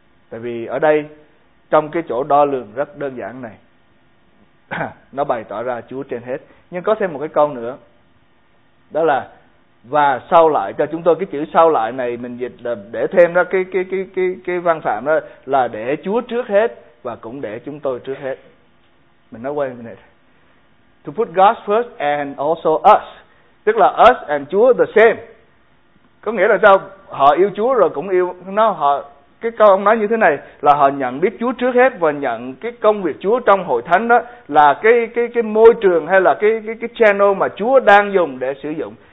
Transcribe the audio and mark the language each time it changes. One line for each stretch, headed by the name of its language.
Vietnamese: Tại vì ở đây trong cái chỗ đo lường rất đơn giản này, nó bày tỏ ra Chúa trên hết. Nhưng có thêm một cái câu nữa, đó là và sau lại cho chúng tôi. Cái chữ sau lại này mình dịch là để thêm ra cái văn phạm đó là để Chúa trước hết và cũng để chúng tôi trước hết. Mình nói
English: wait a minute. To put God first and also us.
Vietnamese: Tức là
English: us and
Vietnamese: Chúa
English: the same.
Vietnamese: Có nghĩa là sao? Họ yêu Chúa rồi cũng yêu nó. Họ, cái câu ông nói như thế này là họ nhận biết Chúa trước hết và nhận cái công việc Chúa trong hội thánh đó là cái môi trường hay là cái channel mà Chúa đang dùng để sử dụng.